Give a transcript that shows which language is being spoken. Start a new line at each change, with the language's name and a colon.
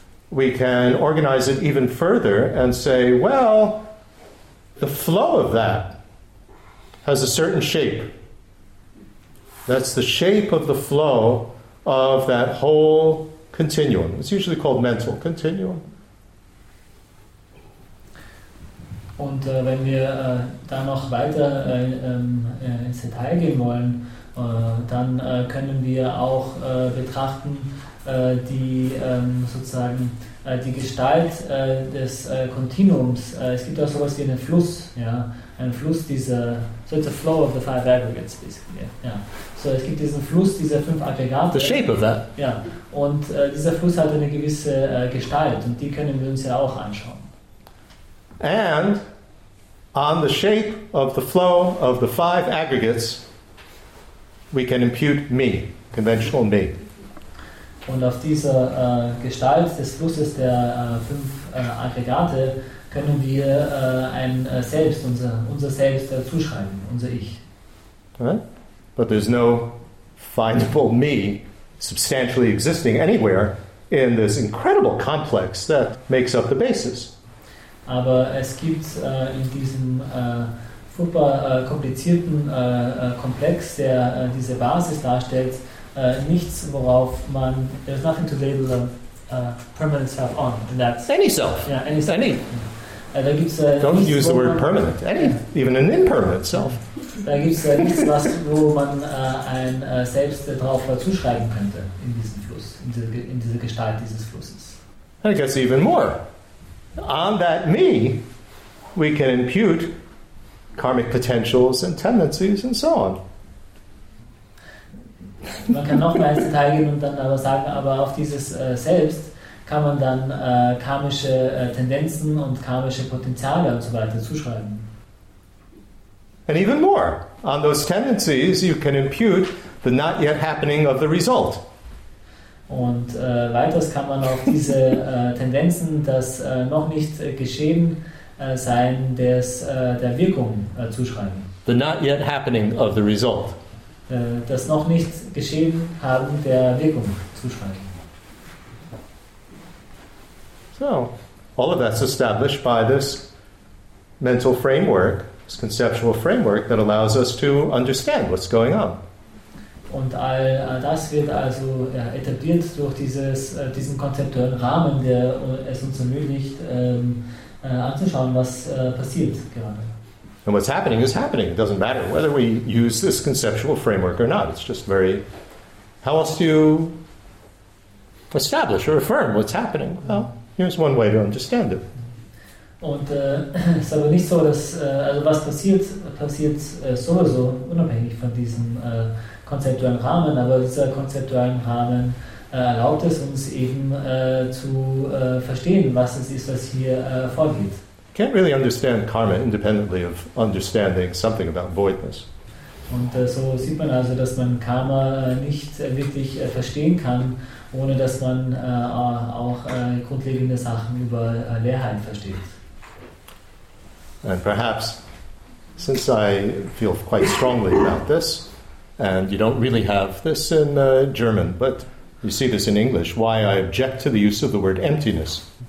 English: We can organize it even further and say, well, the flow of that has a certain shape. That's the shape of the flow of that whole continuum. It's usually called mental continuum.
German: Und wenn wir da noch weiter ins Detail gehen wollen, dann können wir auch betrachten die sozusagen die Gestalt des Kontinuums. Es gibt auch sowas wie einen Fluss, ja, einen Fluss dieser,
English: so it's a flow of the five aggregates basically.
German: Ja. So es gibt diesen Fluss dieser fünf Aggregate.
English: The shape of that.
German: Ja. Und dieser Fluss hat eine gewisse Gestalt, und die können wir uns ja auch anschauen.
English: And on the shape of the flow of the five aggregates, we can impute me, conventional me.
German: Und auf dieser Gestalt des Flusses der fünf Aggregate können wir ein Selbst, unser Selbst zuschreiben, unser Ich.
English: Right? But there's no findable me substantially existing anywhere in this incredible complex that makes up the basis.
German: Aber es gibt in diesem super komplizierten Komplex, der diese Basis darstellt, nichts, worauf man,
English: there's nothing to label a permanent self on. And that's any self. Yeah, any self. Any.
German: Da gibt's,
English: don't use the word permanent. Any, even an impermanent self.
German: Da gibt's nichts, was, wo man ein Selbst darauf zuschreiben könnte in diesem Fluss, in dieser Gestalt dieses Flusses.
English: I guess even more. On that me, we can impute karmic potentials and tendencies and so on.
German: Man kann noch mehr ins Detail gehen und dann aber sagen, aber auf dieses Selbst kann man dann karmische Tendenzen und karmische Potenziale und so weiter zuschreiben.
English: And even more, on those tendencies you can impute the not yet happening of the result.
German: Und weiters kann man auf diese Tendenzen, das noch nicht geschehen sein, des, der Wirkung zuschreiben.
English: The not yet happening of the result.
German: Das noch nicht geschehen haben der Wirkung zuschreiben.
English: So, all of that's established by this mental framework, this conceptual framework that allows us to understand what's going on.
German: Und all das wird also etabliert durch dieses, diesen konzeptuellen Rahmen, der es uns ermöglicht, anzuschauen, was passiert gerade.
English: And what's happening is happening. It doesn't matter whether we use this conceptual framework or not. It's just very... How else do you establish or affirm what's happening? Well, here's one way to understand it.
German: Und es ist aber nicht so, dass... Also was passiert, passiert sowieso unabhängig von diesem konzeptuellen Rahmen, aber dieser konzeptuellen Rahmen erlaubt es uns eben zu verstehen, was es ist, was hier vorgeht.
English: Can't really understand karma independently of understanding something about voidness.
German: Und so sieht man also, dass man Karma nicht wirklich verstehen kann, ohne dass man auch grundlegende Sachen über Leerheit versteht.
English: And perhaps, since I feel quite strongly about this, and you don't really have this in German, but you see this in English, why I object to the use of the word emptiness.